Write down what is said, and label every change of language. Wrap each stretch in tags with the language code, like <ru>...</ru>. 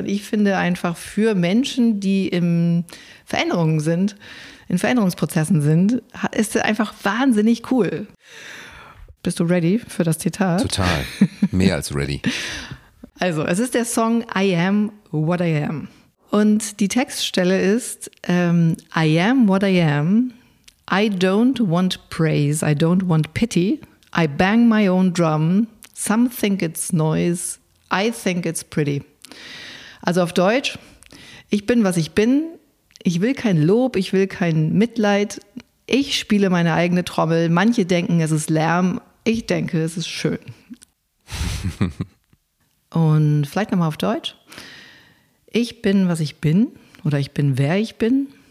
<de>Und ich finde einfach, für Menschen, die in Veränderungen sind, in Veränderungsprozessen sind, ist es einfach wahnsinnig cool. Bist du ready für das Zitat? Total. Mehr als ready. Also, es ist der Song I Am What I Am. Und die Textstelle ist,</de> <en>I am what I am, I don't want praise, I don't want pity, I bang my own drum, some think it's noise, I think it's pretty.</en> <de>Also auf Deutsch, ich bin, was ich bin, ich will kein Lob, ich will kein Mitleid, ich spiele meine eigene Trommel, manche denken, es ist Lärm, ich denke, es ist schön. Und vielleicht nochmal auf Deutsch. Ich bin, was ich bin, oder ich bin, wer ich bin.</de>